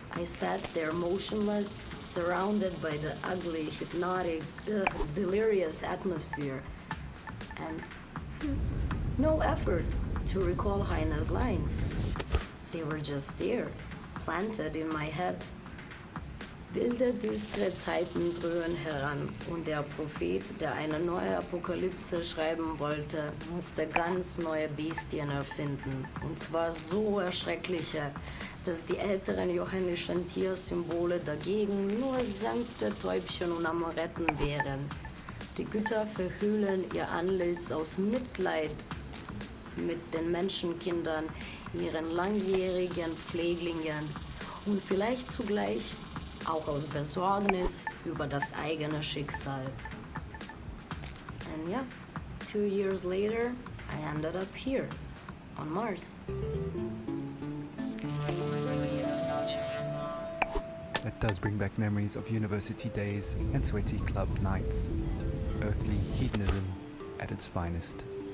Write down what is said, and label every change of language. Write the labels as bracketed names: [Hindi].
[English] I sat there motionless, surrounded by the ugly, hypnotic, delirious atmosphere. And no effort to recall Heine's lines. They were just there, planted in my head. [German] Wilde, düstere Zeiten drühen heran und der Prophet, der eine neue Apokalypse schreiben wollte, musste ganz neue Bestien erfinden. Und zwar so erschreckliche, dass die älteren johannischen Tiersymbole dagegen nur sanfte Täubchen und Amoretten wären. Die Götter verhüllen ihr Antlitz aus Mitleid mit den Menschenkindern, ihren langjährigen Pfleglingen und vielleicht zugleich auch aus Besorgnis über das eigene Schicksal. [English] And yeah, 2 years later, I ended up here, on Mars. It does bring back memories of university days and sweaty club nights. Earthly hedonism at its finest.